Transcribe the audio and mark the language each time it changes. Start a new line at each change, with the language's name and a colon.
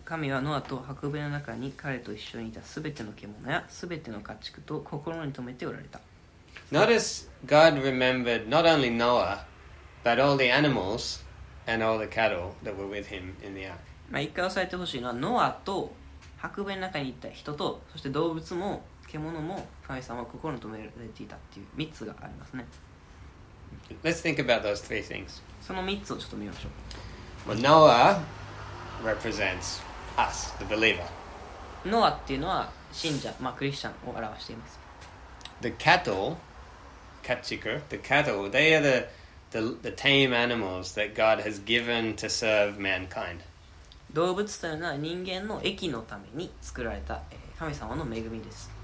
Japanese: 神はノアと箱舟の中に彼と一緒にいたすべての獣やすべての家畜と心に留めておられた。
English: Notice God remembered not only Noah, but all the animals and all the cattle that were with him in the ark.
Japanese: 一回押さえてほしいのはノアと箔弁の中にいた人とそして動物も獣も神様は心に留められていたっていう3つがありますね。
English: Let's think about those three things.
Japanese: その3つをちょっと見ましょう。
English: Noah represents us, the believer.
Japanese: ノアっていうのは信者、まあ、クリスチャンを表しています。
English: The cattle, kachiku, the cattle, they are the tame animals that God has given to serve mankind.
Japanese: 動物というのは人間の益のために作られた神様の恵みです。